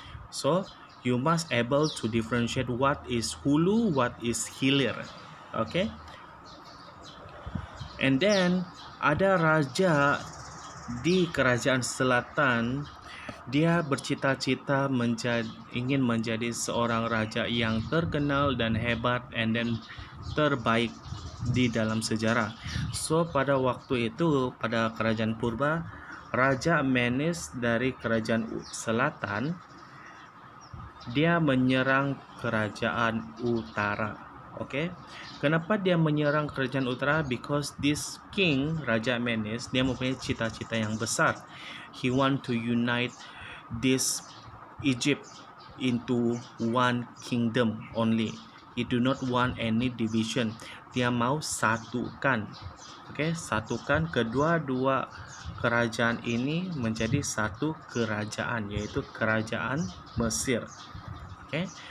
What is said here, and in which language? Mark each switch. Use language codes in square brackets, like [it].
[en] So you must able to differentiate what is hulu, what is hilir, okay? [ms] And then ada raja di kerajaan selatan, dia bercita-cita ingin menjadi seorang raja yang terkenal dan hebat and then terbaik di dalam sejarah. So pada waktu itu pada kerajaan purba, raja Menes dari kerajaan selatan, dia menyerang kerajaan utara. Oke. Kenapa dia menyerang kerajaan utara? [en] Because this king, [ms] Raja Menes, dia mempunyai cita-cita yang besar. [en] He want to unite this Egypt into one kingdom only. He do not want any division. [ms] Dia mau satukan. Oke, satukan kedua-dua kerajaan ini menjadi satu kerajaan, yaitu kerajaan Mesir. Okay.